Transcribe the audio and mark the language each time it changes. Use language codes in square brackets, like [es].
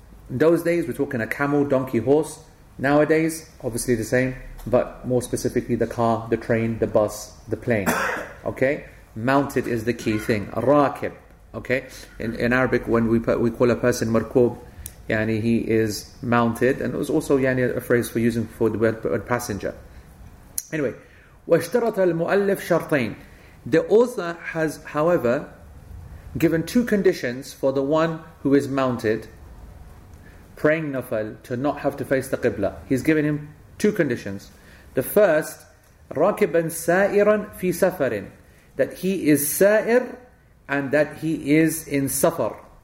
[en] In those days, we're talking a camel, donkey, horse. Nowadays, obviously the same, but more specifically the car, the train, the bus, the plane. Okay? Mounted is the key thing. Rakib. Okay? In Arabic, when we call a person markub, yani he is mounted. And it was also yani a phrase for using for the word passenger. Anyway, [ar] واشترط المؤلف شرطين. [en] The author has, however, given two conditions for the one who is mounted, praying nafal, to not have to face the qibla. He's given him two conditions. The first, [ar] راكباً سائراً في سفرٍ, [en] that he is sa'ir and that he is in safar.